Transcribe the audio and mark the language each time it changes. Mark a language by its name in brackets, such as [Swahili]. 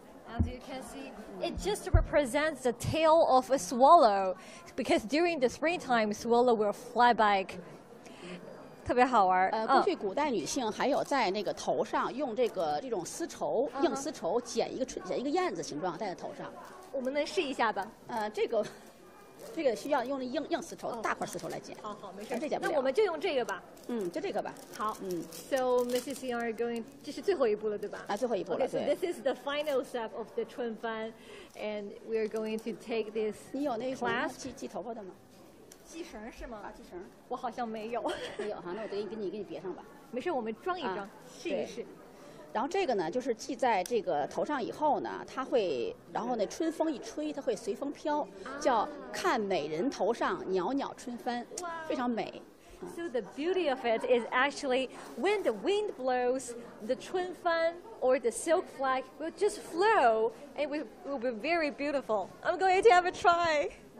[English] As you can see, it just represents the tail of a swallow, because during the springtime, swallow will fly back. [Chinese] 特别好玩。过去古代女性还有在那个头上用这种丝绸、硬丝绸剪一个燕子形状戴在头上。我们能试一下吧？这个需要用硬丝绸、大块丝绸来剪。好好，没事，这剪不了。那我们就用这个吧。就这个吧。 [English] 好。So Mrs. Yang are going. [Chinese] 这是最后一步了，对吧？最后一步了。 [English] Okay, so this is the final step of the 春帆 and we are going to take this. [Chinese] 你有那个系头发的吗？系绳是吗？系绳。我好像没有。没有哈，那我给你别上吧。没事，我们装一装，试一试。然后这个呢，就是系在这个头上以后呢，它会，然后呢，春风一吹，它会随风飘，叫看美人头上袅袅春帆，非常美。 [English] So the beauty of it is actually when the wind blows, the 春帆 or the silk flag will just flow and will be very beautiful. I'm going to have a try.